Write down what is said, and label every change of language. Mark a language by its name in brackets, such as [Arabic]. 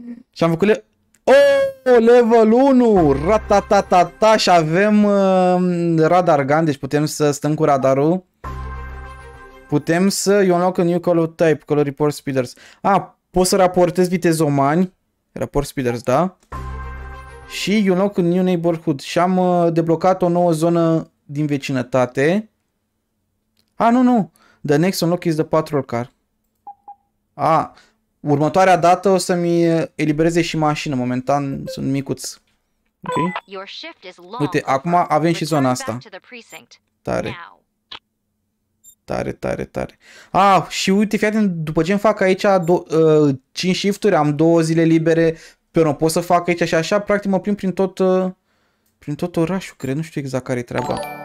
[Romanian] Și am făcut level 1, ratatatata, și avem radar gun, deci putem să stăm cu radarul. Putem să, eu [English] unlock a new color type, color report speeders. [Romanian] Pot să raportez vitezomani, [English] report speeders, [Romanian] da. Și [English] you unlock a new neighborhood, [Romanian] și am deblocat o nouă zonă din vecinătate. Nu, [English] the next unlock is the patrol car. [Romanian] Următoarea dată o să-mi elibereze și mașină. Momentan sunt micuț. Ok? Uite, acum avem și zona asta. Tare. Tare, tare, tare. Ah, și uite, fii atent, după ce îmi fac aici 5 shifturi, am 2 zile libere, [Spanish] pero [Romanian] pot să fac aici și așa, practic mă plimb prin tot orașul, cred, nu știu exact care e treaba.